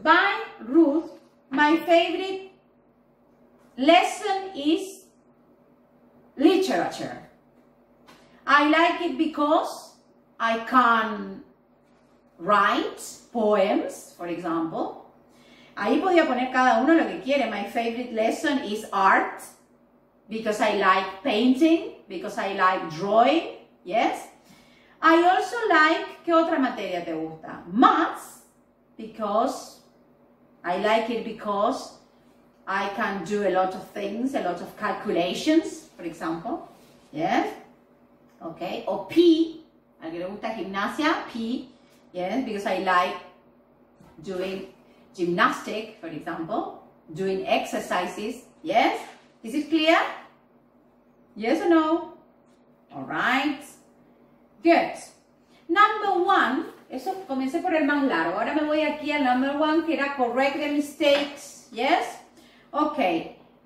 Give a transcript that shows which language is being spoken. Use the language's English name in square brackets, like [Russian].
[English] By Ruth, my favorite lesson is literature. I like it because I can write poems, for example. [Spanish] Ahí podía poner cada uno lo que quiere. [English] My favorite lesson is art because I like painting, because I like drawing, yes? I also like, [Spanish] ¿qué otra materia te gusta? [English] Maths, because I like it because I can do a lot of things, a lot of calculations, for example, yes? Okay, or P, [Spanish] ¿a que le gusta gimnasia? [English] P, yes, because I like doing gymnastic, for example, doing exercises, yes? Is it clear? Yes or no? All right, good. Number one, [Spanish] eso comencé por el más largo, ahora me voy aquí al [English] number one, [Spanish] que era [English] correct the mistakes, yes? Okay.